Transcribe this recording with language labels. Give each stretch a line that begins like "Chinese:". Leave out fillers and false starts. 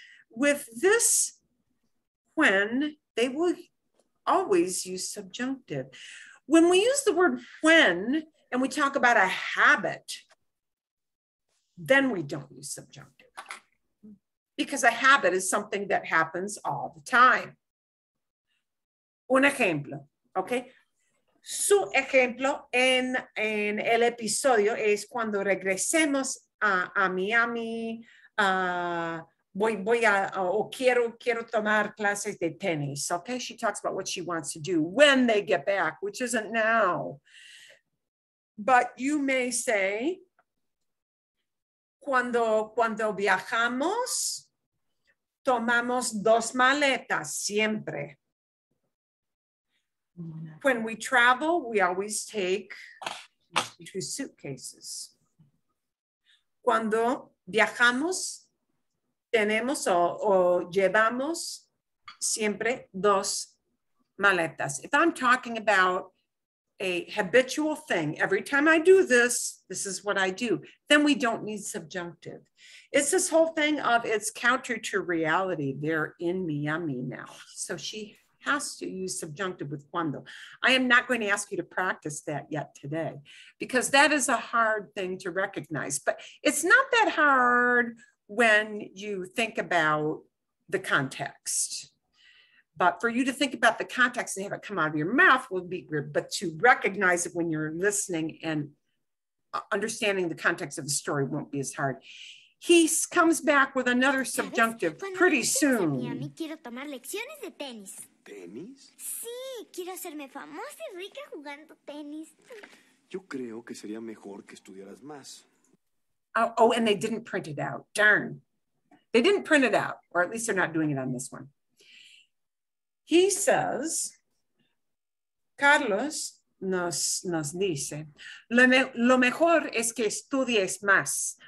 English: With this when, they will always use subjunctive. When we use the word when and we talk about a habit, then we don't use subjunctive. Because a habit is something that happens all the time.
Spanish: Un ejemplo, okay? Su ejemplo en el episodio es cuando regresemos a Miami, quiero tomar clases de tenis, okay?
English: She talks about what she wants to do when they get back, which isn't now. But you may say,
Spanish: cuando viajamos, Tomamos dos maletas siempre.
English: When we travel, we always take two suitcases.
Spanish: Cuando viajamos, tenemos o llevamos siempre dos maletas.
English: If I'm talking about a habitual thing, every time I do this, this is what I do, then we don't need subjunctive. It's this whole thing of it's counter to reality. They're in Miami now. So she has to use subjunctive with cuando. I am not going to ask you to practice that yet today, because that is a hard thing to recognize. But it's not that hard when you think about the context. But for you to think about the context and have it come out of your mouth would be weird, but to recognize it when you're listening and understanding the context of the story won't be as hard. He comes back with another subjunctive pretty soon.
Spanish: Miami, quiero tomar lecciones de tenis. ¿Tenis? Sí, quiero hacerme famosa y rica jugando tenis. Yo creo que sería mejor que estudiaras más.
English: Oh, and they didn't print it out. Darn. They didn't print it out, or at least they're not doing it on this one. He says,
Spanish: Carlos nos dice, lo mejor es que estudies más.